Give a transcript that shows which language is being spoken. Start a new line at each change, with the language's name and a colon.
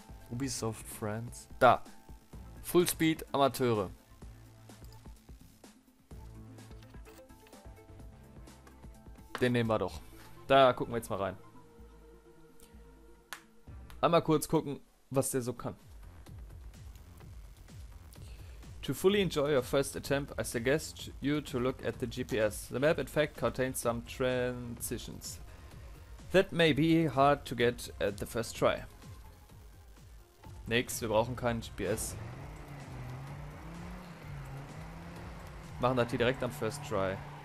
German: Ubisoft Friends. Da! Fullspeed Amateure. Den nehmen wir doch. Da gucken wir jetzt mal rein. Einmal kurz gucken, was der so kann.
English: To fully enjoy your first attempt, I suggest you to look at the GPS. The map, in fact, contains some transitions that may be hard to get at the first try.
German: Nix, wir brauchen keinen GPS. Machen das hier direkt am
English: first try.